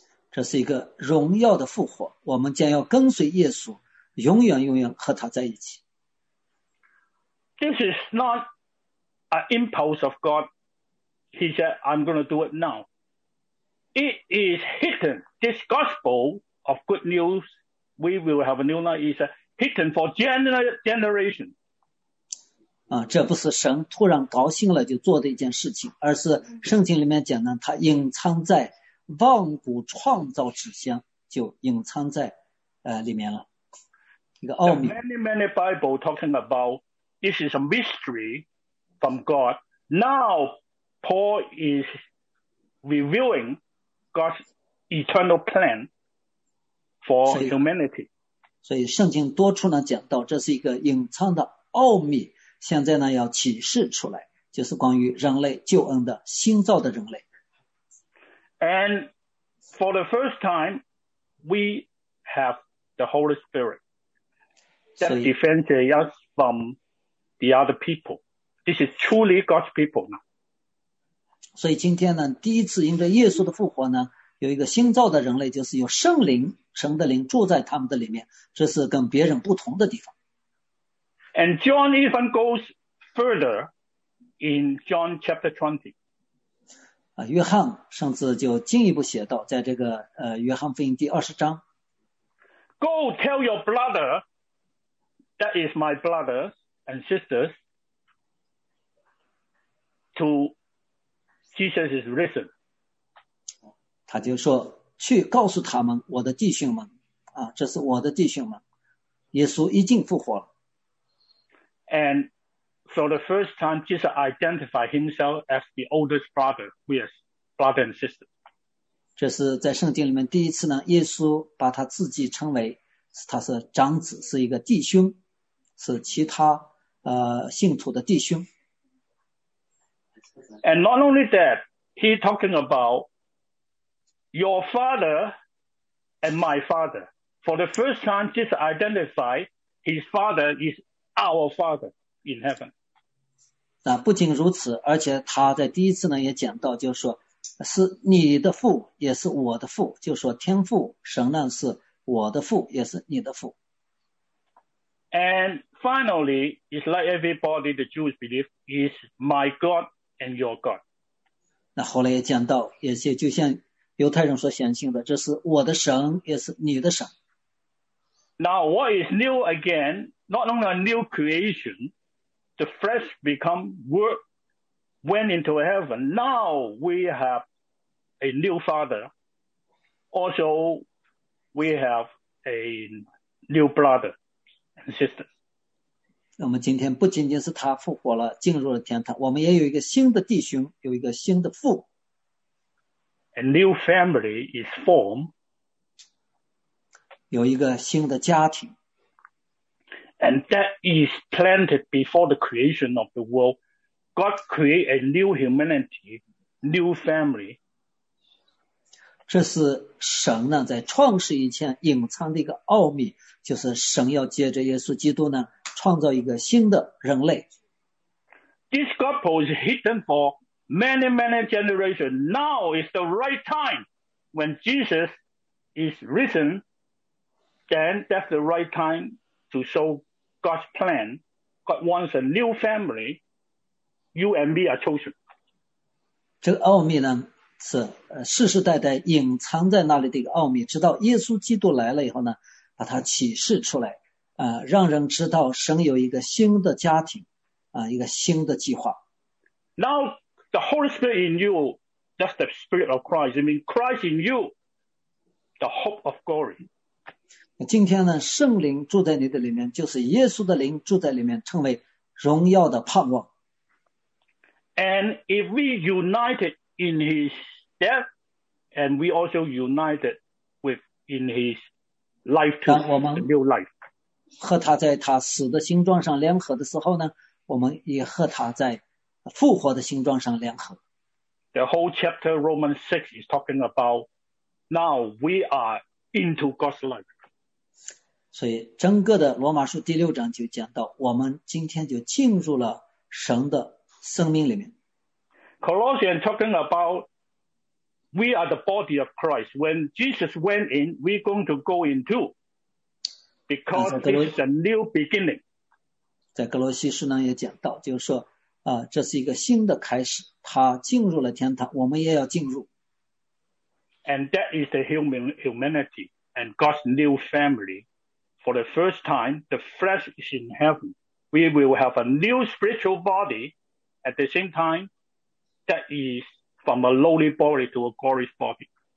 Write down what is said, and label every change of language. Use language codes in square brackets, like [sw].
[zh] 这是一个荣耀的复活，我们将要跟随耶稣，永远永远和他在一起。 [en] This is not an impulse of God. He said, I'm going to do it now. It is hidden. This gospel of good news, we will have a new life, is hidden for generations. [zh] 这不是神突然高兴了就做的一件事情，而是圣经里面讲呢，它隐藏在万古创造之前就隐藏在里面了，一个奥秘。 [en] Many Bible talking about this is a mystery from God. Now Paul is revealing God's eternal plan for humanity. [zh] 所以圣经多处呢讲到，这是一个隐藏的奥秘。现在呢，要启示出来，就是关于人类救恩的新造的人类。 [en] And for the first time, we have the Holy Spirit that defends us from the other people. This is truly God's people now. [zh] 所以今天呢，第一次因着耶稣的复活呢，有一个新造的人类，就是有圣灵、神的灵住在他们的里面，这是跟别人不同的地方。 [en] And John even goes further in John chapter 20. [zh] 约翰甚至就进一步写到在这个约翰福音第二十章。 [en] Go tell your brother that is my brother and sisters to Jesus is risen. [zh] 他就说去告诉他们我的弟兄们啊，这是我的弟兄们，耶稣已经复活了。 [en] And so the first time Jesus identified himself as the oldest brother, who is brother and sister. [zh] 这是在圣经里面第一次呢，耶稣把他自己称为他是长子，是一个弟兄，是其他信徒的弟兄。 [en] And not only that, he talking aboutYour father and my father. For the first time, Jesus identified his father is our father in heaven. [zh] 那不仅如此，而且他在第一次呢也讲到，就说是你的父也是我的父，就说天父神呢是我的父也是你的父。 [en] And finally, it's like everybody the Jews believe is my God and your God. [zh] 那后来也讲到，也是就像犹太人所相信的，这是我的神，也是你的神。 [en] Now what is new again? Not only a new creation, the flesh become word went into heaven. Now we have a new father. Also, we have a new brother and sister. [zh] 我们今天不仅仅是他复活了，进入了天堂，我们也有一个新的弟兄，有一个新的父。 [en] A new family is formed. [zh] 有一个新的家庭。 [en] And that is planted before the creation of the world. God create a new humanity, new family. [zh] 这是神呢在创世以前隐藏的一个奥秘，就是神要借着耶稣基督呢创造一个新的人类。 [en] This gospel is hidden for. Many, many generations. Now is the right time when Jesus is risen. Then that's the right time to show God's plan. God wants a new family. You and me are chosen. [zh] 这个奥秘呢是世世代代隐藏在那里的一个奥秘，直到耶稣基督来了以后呢，把它启示出来，让人知道神有一个新的家庭，一个新的计划。 [en] Now. The Holy Spirit in you, that's the Spirit of Christ. I mean, Christ in you, the hope of glory. [zh] 今天呢，圣灵住在你的里面，就是耶稣的灵住在里面，成为荣耀的盼望。 [en] And if we united in His death, and we also united with in His life to the new life. [zh] 和他在他死的形状上联合的时候呢，我们也和他在。复活的形状上联合。 [en] The whole chapter Romans 6 is talking about now we are into God's life. [zh] 所以整个的罗马书第六章就讲到我们今天就进入了神的生命里面。 [en] Colossians talking about we are the body of Christ. When Jesus went in, we're going to go in too. Because this is a new beginning. [zh] 在格罗西书呢也讲到，就是说这是一个新的开始，他进入了天堂，我们也要进入。 [en] And that is the humanity and God's new family. For the first time, the flesh is in heaven. We will have a new spiritual body at the same time that is from a lowly body to a glorious body.